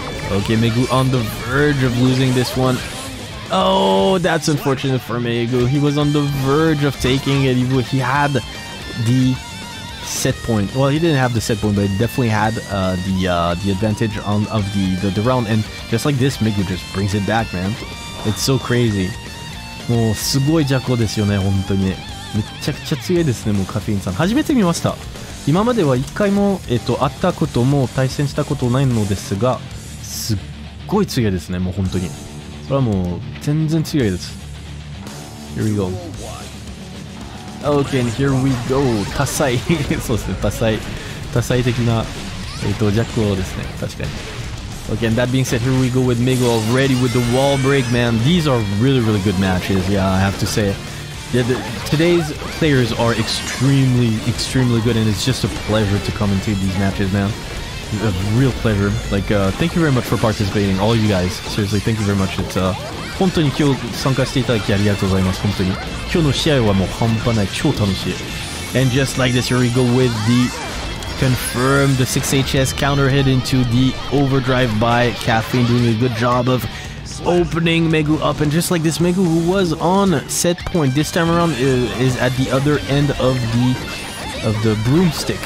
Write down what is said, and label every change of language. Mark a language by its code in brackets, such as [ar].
[en] Okay, Migu on the verge of losing this one. Oh, that's unfortunate for Migu. He was on the verge of taking it. He had the set point. Well, he didn't have the set point, but he definitely had the advantage on of the round. And just like this, Migu just brings it back, man. It's so crazy. [ja] もうすごい弱攻ですよね、本当に。めちゃくちゃ強いですね、もうカフェインさん。初めて見ました。今までは1回も、会ったことも対戦したことないのですが、すっごい強いですね、もう本当に。それはもう全然強いです。 [en] Here we go. Okay, and here we go. [ja] 多彩。そうですね、多彩。多彩的な、弱攻ですね、確かに。 [en] Okay, and that being said, here we go with Migu already with the wall break, man. These are really, really good matches, yeah, I have to say. Yeah, today's players are extremely, extremely good, and it's just a pleasure to commentate these matches, man. A real pleasure. Like, thank you very much for participating, all you guys. Seriously, thank you very much. [ja] It's, 本当に今日参加していただきありがとうございます、本当に。今日の試合はもう半端ない、超楽しい。 [en] And just like this, here we go with the... Confirm the 6HS counter hit into the overdrive by Caffeine, doing a good job of opening Migu up. And just like this, Migu, who was on set point this time around, is at the other end of the broomstick.